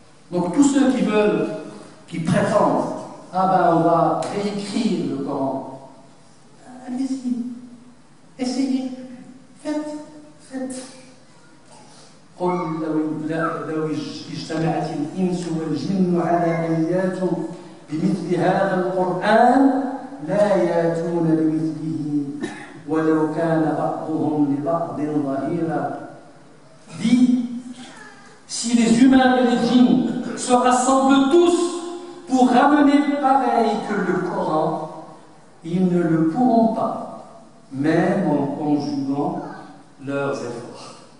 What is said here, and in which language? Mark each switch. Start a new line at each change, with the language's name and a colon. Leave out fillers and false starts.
French: Donc tous ceux qui veulent, qui prétendent, ah ben on va réécrire le Coran, allez-y, essayez, faites.
Arabic: قل لو اجتمعت الإنس والجن على أن يأتوا بمثل هذا القرآن لا يأتون بمثله ولو كان بعضهم لبعض ظهيرا.
French: Dis, si les humains et les djinns se rassemblent tous pour ramener pareil que le Coran, ils ne le pourront pas, même en conjuguant leurs efforts.